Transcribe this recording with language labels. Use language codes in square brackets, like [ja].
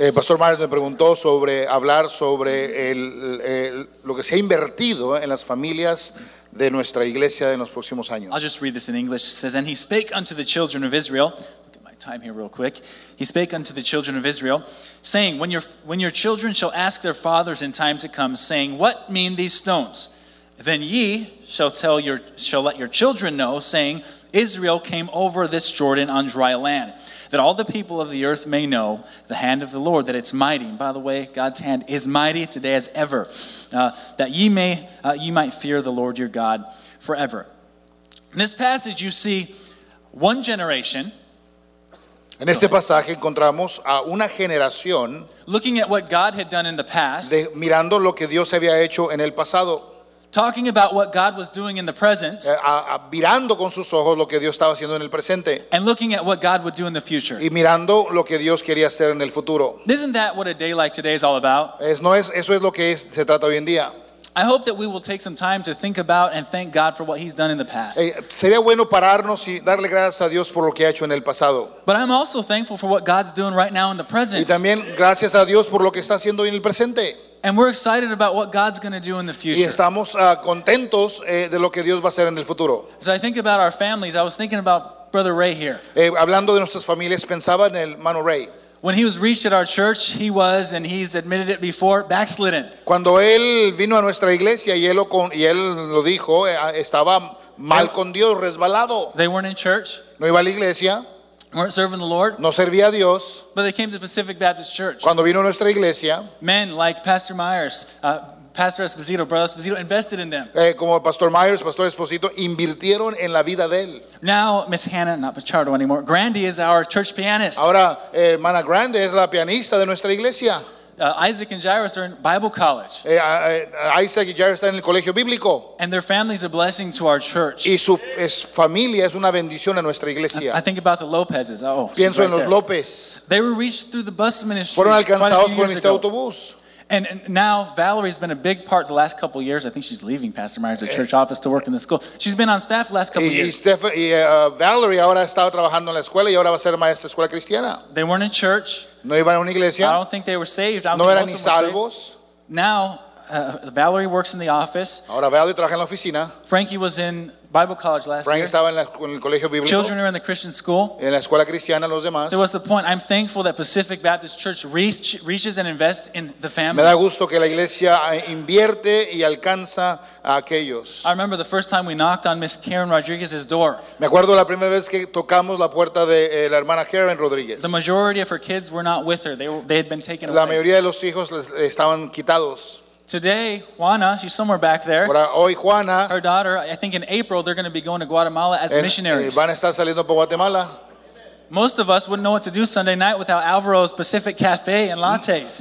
[es] Pastor Myers me preguntó sobre hablar sobre lo que se ha invertido en las familias de nuestra iglesia en los próximos años. [en] I'll just read this in English. It says, and he spake unto the children of Israel, time here real quick. He spake unto the children of Israel, saying, when your children shall ask their fathers in time to come, saying, what mean these stones? Then ye shall let your children know, saying, Israel came over this Jordan on dry land, that all the people of the earth may know the hand of the Lord, that it's mighty. And by the way, God's hand is mighty today as ever, that ye might fear the Lord your God forever. In this passage, you see one generation. [es] En este pasaje encontramos a una generación [en] looking at what God had done in the past, [es] mirando lo que Dios había hecho en el pasado, [en] talking about what God was doing in the present, [es] mirando con sus ojos lo que Dios estaba haciendo en el presente, [en] and looking at what God would do in the future, [es] y mirando lo que Dios quería hacer en el futuro. [en] Isn't that what a day like today is all about? [es] Eso es lo que se trata hoy en día. [en] I hope that we will take some time to think about and thank God for what he's done in the past. [es] Sería bueno pararnos y darle gracias a Dios por lo que ha hecho en el pasado. [en] But I'm also thankful for what God's doing right now in the present. [es] Y también gracias a Dios por lo que está haciendo en el presente. [en] And we're excited about what God's going to do in the future. [es] Y estamos contentos de lo que Dios va a hacer en el futuro. [en] As I think about our families, I was thinking about Brother Ray here. [es] Hablando de nuestras familias, pensaba en el hermano Ray. [en] When he was reached at our church, he was, and he's admitted it before, backslidden. [es] Cuando él vino a nuestra iglesia y él lo dijo, estaba mal con Dios, resbalado. [en] They weren't in church. [es] No iba a la iglesia. [en] Weren't serving the Lord. [es] No servía a Dios. [en] But they came to Pacific Baptist Church. [es] Cuando vino a nuestra iglesia. [en] Men like Pastor Myers, Pastor Esposito, Brother Esposito, invested in them. [es] Como Pastor Myers, Pastor Esposito, invirtieron en la vida de él. [en] Now, Miss Hannah, not Pachardo anymore, Grandy is our church pianist. [es] Ahora, hermana Grande es la pianista de nuestra iglesia. [en] Isaac and Jairus are in Bible college. [es] Isaac y Jairus están en el colegio bíblico. [en] And their family is a blessing to our church. [es] Y su familia es una bendición a nuestra iglesia. [en] I think about the Lopezes. Oh, [es] pienso [en] right [es] en los [en] there. [es] López. [en] They were reached through the bus ministry. [es] Fueron alcanzados por este autobús. [en] And now Valerie's been a big part the last couple of years. I think she's leaving Pastor Myers' church office to work in the school. She's been on staff the last couple of years. [es] Valerie ahora estaba trabajando en la escuela y ahora va a ser maestra de escuela cristiana. [en] They weren't in church. [es] No iban a una iglesia. [en] I don't think they were saved. [es] No eran ni salvos. [en] Now Valerie works in the office. [es] Ahora Valerie trabaja en la oficina. [en] Frankie was in Bible college last [es] Frank [en] year. [es] Estaba en el colegio bíblico. [en] Children are in the Christian school. [es] En la escuela cristiana, los demás. [en] So what's the point? I'm thankful that Pacific Baptist Church reaches and invests in the family. [es] Me da gusto que la iglesia invierte y alcanza a aquellos. [en] I remember the first time we knocked on Miss Karen Rodriguez's door. [es] Me acuerdo la primera vez que tocamos la puerta de la hermana Karen Rodriguez. [en] The majority of her kids were not with her. They had been taken [es] la [en] away. [es] La mayoría de los hijos estaban quitados. [en] Today, Juana, she's somewhere back there. [es] Ahora, hoy Juana, [en] her daughter, I think in April, they're going to be going to Guatemala as missionaries. [es] Van a estar saliendo por Guatemala. [en] Most of us wouldn't know what to do Sunday night without Alvaro's Pacific Cafe and lattes.